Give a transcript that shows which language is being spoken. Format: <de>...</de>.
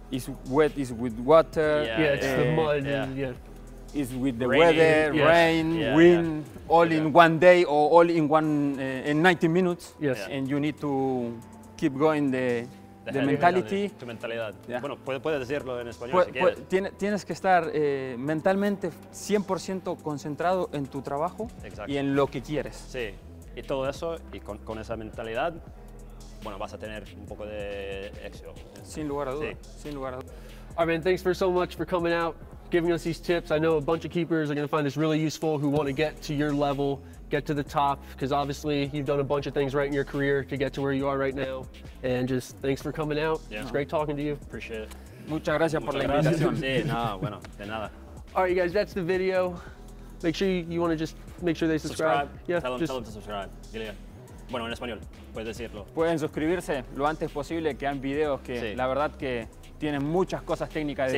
<en>It's wet, it's with water. Yeah, it's the mud. Yeah. Yeah. It's with the rain, weather, yes. Rain, yeah, wind, yeah. All yeah. In one day or all in one in 90 minutes. Yes. Yeah. And you need to keep going the mentality.</en> <es>Tu mentalidad.</es> <en>Yeah.</en> <es>Bueno, puedes decirlo en español si quieres. Tienes que estar mentalmente 100% concentrado en tu trabajo. Exacto. Y en lo que quieres. Sí, y todo eso, y con esa mentalidad, bueno, vas a tener un poco de éxito. Sin lugar a duda. Sí. Sin lugar a duda.</es> <en>All right, man, thanks for so much for coming out, giving us these tips. I know a bunch of keepers are going to find this really useful who want to get to your level, get to the top, because obviously you've done a bunch of things right in your career to get to where you are right now. And just thanks for coming out. Yeah. It's great talking to you. Appreciate it.</en> <es>Muchas gracias por la invitación. Sí, no, bueno, de nada.</es> <en>All right, you guys, that's the video. Make sure you want to just make sure they subscribe. Yeah, tell them to subscribe. Yeah.</en> <es>Bueno, en español, puedes decirlo. Pueden suscribirse lo antes posible, que hay videos que sí. La verdad que tienen muchas cosas técnicas de</es>